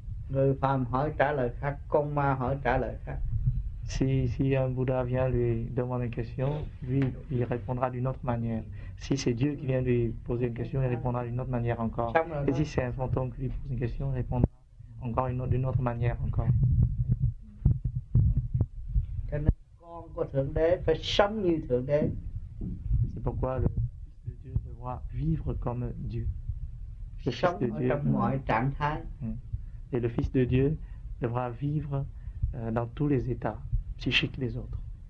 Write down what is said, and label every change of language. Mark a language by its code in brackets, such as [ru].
[vi] Người phàm hỏi trả lời khác, con ma hỏi trả lời khác. [fr] Si un Bouddha vient lui demander une question, lui il répondra d'une autre manière. Si c'est Dieu qui vient lui poser une question, il répondra d'une autre manière encore. Et si c'est un fantôme qui lui pose une question, il répondra encore d'une autre manière encore. [vi] Con của Thượng Đế phải sống như Thượng Đế. [fr] C'est pourquoi le Fils de Dieu devra vivre comme Dieu. [vi] Sống ở trong mọi trạng thái. [fr] Et le Fils de Dieu devra vivre dans tous les états psychiques des autres.